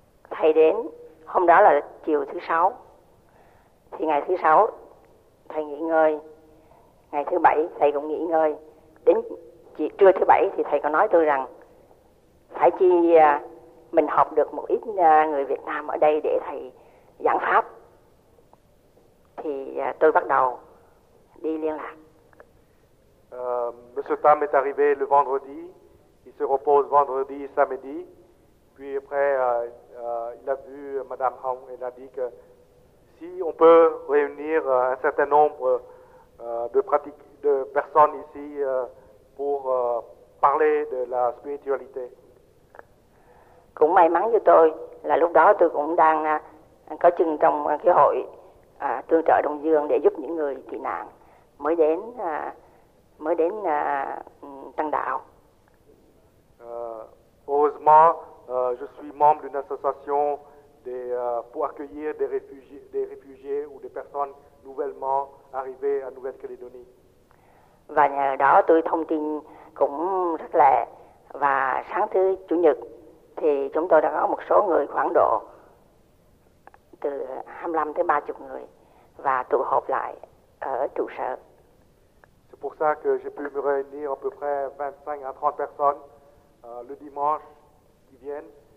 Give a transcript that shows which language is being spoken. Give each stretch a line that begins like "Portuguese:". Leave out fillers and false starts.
Vietnamese: Thầy đến, hôm đó là chiều thứ 6, thì ngày thứ 6 thầy nghỉ ngơi, ngày thứ 7 thầy cũng nghỉ ngơi, đến trưa thứ 7 thì thầy có nói tôi rằng phải chi mình học được một ít người Việt Nam ở đây để thầy giảng pháp. Thì tôi bắt đầu đi liên lạc.
French: Monsieur Tam est arrivé le vendredi, il se repose vendredi et samedi, puis après il a vu madame Hong et a dit que si on peut réunir un certain nombre de personnes ici pour parler de la spiritualité.
Vietnamese: Cũng may mắn như tôi là lúc đó tôi cũng đang có chân trong cái hội tương trợ Đông Dương để giúp những người tị nạn mới đến tăng đạo.
French: Heureusement, je suis membre d'une association pour accueillir des réfugiés ou des personnes nouvellement arrivées à Nouvelle-Calédonie.
Vietnamese: Và nhờ đó tôi thông tin cũng rất lẹ, và sáng thứ chủ nhật thì chúng tôi đã có một số người khoảng độ từ 25 tới 30 người và tụ họp lại ở trụ sở.
French: C'est pour ça que j'ai pu me réunir à peu près 25 à 30 personnes le dimanche qui viennent.